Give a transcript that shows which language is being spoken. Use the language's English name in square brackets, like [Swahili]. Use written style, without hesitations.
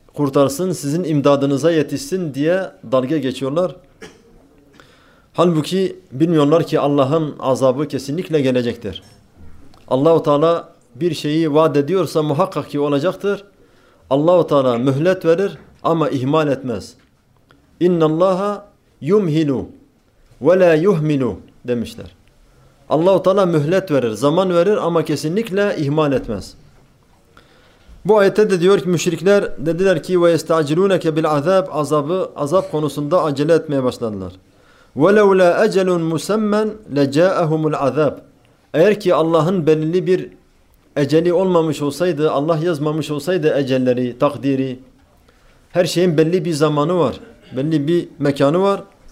[Turkish] kurtarsın, sizin imdadınıza yetişsin diye dalga geçiyorlar. Halbuki bilmiyorlar ki Allah'ın azabı kesinlikle gelecektir. Allah-u Teala bir şeyi vaat ediyorsa muhakkak ki olacaktır. Allah-u Teala mühlet verir ama ihmal etmez. [Arabic] اِنَّ اللّٰهَ يُمْهِلُ وَلَا يُهْمِلُ [Turkish] demişler. Allah-u Teala mühlet verir, zaman verir ama kesinlikle ihmal etmez. Bu ayette de diyor ki müşrikler dediler ki [Arabic] وَيَسْتَعْجِلُونَكَ بِالْعَذَابِ [Turkish] azabı, azap konusunda acele etmeye başladılar. [Arabic] وَلَوْ لَا اَجَلٌ مُسَمَّنْ لَجَاءَهُمُ الْعَذَابِ [Turkish] eğer ki Allah'ın belli bir eceli olmamış olsaydı, Allah yazmamış olsaydı ecelleri, takdiri, her şeyin belli bir zamanı var, belli bir mekanı var.